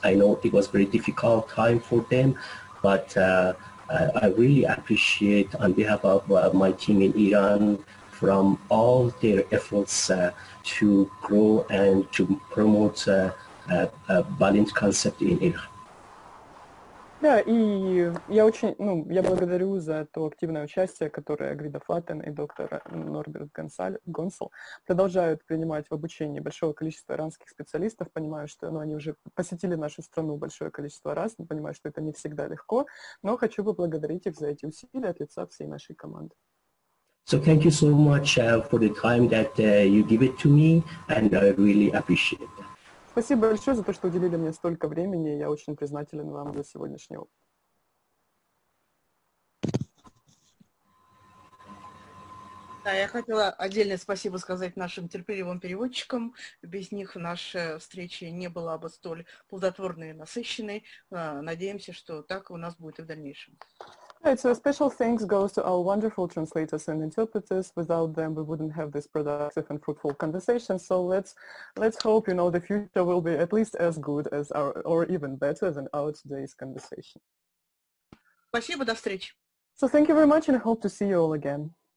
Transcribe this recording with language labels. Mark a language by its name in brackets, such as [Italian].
[English] I know it was a very difficult time for them, but I really appreciate on behalf of my team in Iran from all their efforts to grow and to promote Balint concept in Iran. [Russian] Да, и я очень, ну, я благодарю за то активное участие, которое Гвида Флатен и доктор Норберт Гонсел продолжают принимать в обучении большого количества иранских специалистов. Понимаю, что, ну, они уже посетили нашу страну большое количество раз, но понимаю, что это не всегда легко, но хочу поблагодарить их за эти усилия от лица всей нашей команды. [English] So thank you so much for the time that you give it to me, and I really appreciate that. [Russian] Спасибо большое за то, что уделили мне столько времени. Я очень признателен вам за сегодняшний опыт. Да, я хотела отдельное спасибо сказать нашим терпеливым переводчикам. Без них наша встреча не была бы столь плодотворной и насыщенной. Надеемся, что так у нас будет и в дальнейшем. [English] Right, so a special thanks goes to our wonderful translators and interpreters. Without them, we wouldn't have this productive and fruitful conversation. So let's hope, you know, the future will be at least as good as our, or even better than our today's conversation. [Russian] Спасибо, до встречи. [English] So thank you very much, and I hope to see you all again.